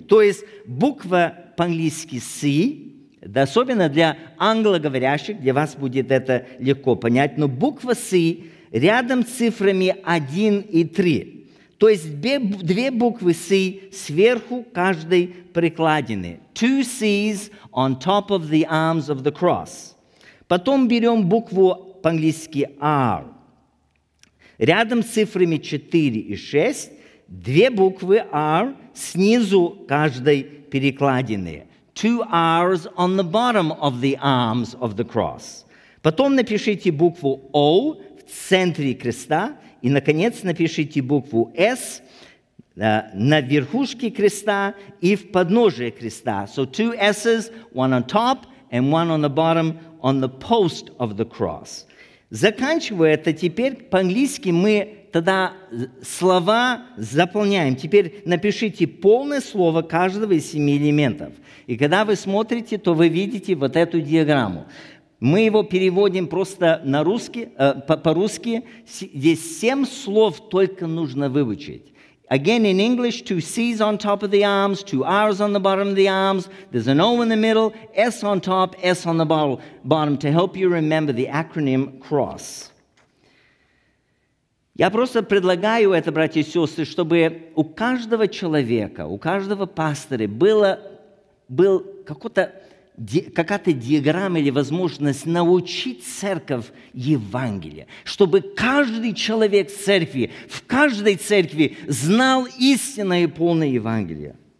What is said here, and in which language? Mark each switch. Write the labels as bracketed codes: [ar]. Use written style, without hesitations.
[ru] То есть буква по-английски C, да, особенно для англоговорящих, для вас будет это легко понять, но буква C рядом с цифрами 1 и 3. То есть две буквы C сверху каждой прикладины. [en] Two C's on top of the arms of the cross. [ru] Потом берем букву по-английски R. Рядом с цифрами 4 и 6 две буквы R снизу каждой перекладины. [en] Two R's on the bottom of the arms of the cross. [ru] Потом напишите букву O в центре креста. И, наконец, напишите букву S на верхушке креста и в подножии креста. [en] So two S's, one on top and one on the bottom on the post of the cross. [ru] Заканчивая это, теперь по-английски мы тогда слова заполняем. Теперь напишите полное слово каждого из 7 элементов. И когда вы смотрите, то вы видите вот эту диаграмму. Мы его переводим просто на русский, по-русски. Здесь 7 слов только нужно выучить. [en] Again, in English, two C's on top of the arms, two R's on the bottom of the arms. There's an O in the middle, S on top, S on the bottom to help you remember the acronym CROSS. [ru] Я просто предлагаю это, братья и сестры, чтобы у каждого человека, у каждого пастора был какая-то диаграмма или возможность научить церковь Евангелия, чтобы каждый человек церкви, в каждой церкви знал истинное и полное Евангелие.